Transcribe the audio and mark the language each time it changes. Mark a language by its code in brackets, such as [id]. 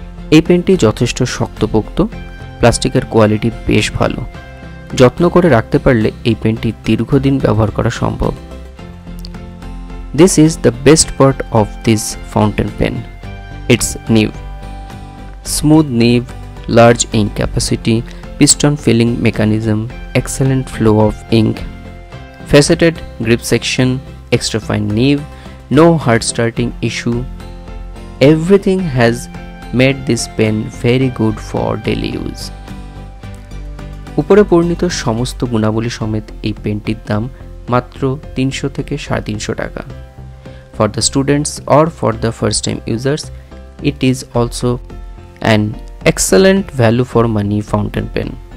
[bn] এই পেনটি যথেষ্ট শক্তপোক্ত, প্লাস্টিকের কোয়ালিটি বেশ ভালো। যত্ন করে রাখতে পারলে এই পেনটি দীর্ঘদিন ব্যবহার করা সম্ভব। [en] This is the best part of this fountain pen. It's new. Smooth nib, large ink capacity, piston filling mechanism, excellent flow of ink, faceted grip section, extra fine nib, no hard starting issue. Everything has made this pen very good for daily use. [bn] উপরে বর্ণিত সমস্ত গুণাবলী সমেত এই পেনটির দাম মাত্র 300 থেকে 350 টাকা. [en] For the students or for the first time users, it is also an excellent value for money fountain pen.